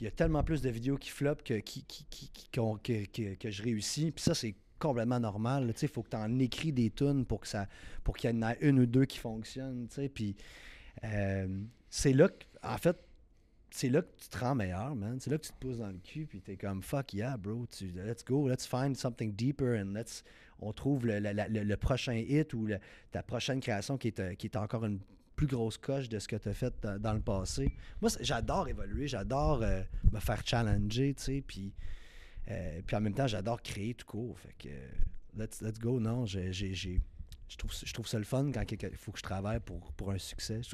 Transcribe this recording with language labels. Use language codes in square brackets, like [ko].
[fr] il y a tellement plus de vidéos qui floppent que je réussis. Puis ça, c'est complètement normal. Tu sais, il faut que tu en écris des tunes pour que ça, pour qu'il y en ait une ou deux qui fonctionnent. Tu sais, puis c'est là que, en fait, c'est là que tu te rends meilleur, man. C'est là que tu te pousses dans le cul, puis t'es comme, [en] fuck yeah, bro. Let's go, let's find something deeper, and let's. [fr] On trouve le prochain hit ou ta prochaine création qui est encore une plus grosse coche de ce que t'as fait dans le passé. Moi, j'adore évoluer, j'adore me faire challenger, tu sais, puis en même temps, j'adore créer tout court. Fait que, [en] let's go, [fr] non, j'ai. Je trouve ça le fun quand il faut que je travaille pour un succès.